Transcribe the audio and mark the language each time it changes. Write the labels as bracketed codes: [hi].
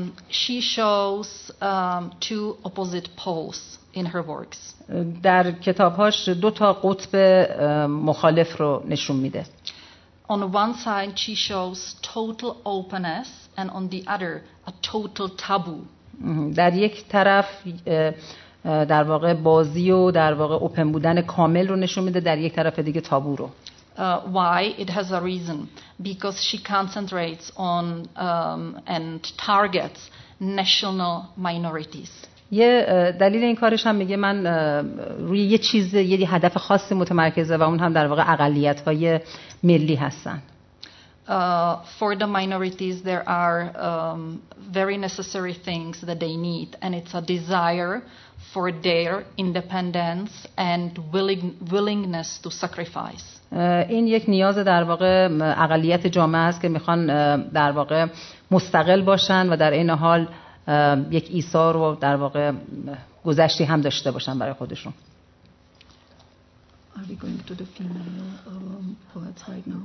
[en] She shows two opposite poles in her works. [fa] در کتابهاش دو تا قطب مخالف رو نشون میده. [en] On one side she shows total openness and on the other a total taboo. [fa] در یک طرف در واقع بازی و در واقع اوپن بودن کامل رو نشون میده در یک طرف دیگه تابو رو. [en] Why it has a reason because she concentrates on and targets national minorities. [fa] یه دلیل این کارش هم میگه من روی یه چیز یه هدف خاصی متمرکزه و اون هم در واقع اقلیت‌های ملی هستن. [en] For the minorities there are very necessary things that they need and it's a desire for their independence and willingness to sacrifice. [fa] این یک نیاز در واقع اقلیت جامعه است که میخوان در واقع مستقل باشن و در این حال یک ایثار و در واقع گذشتی هم داشته باشن برای خودشون. [en] Are we going to the female poet right now?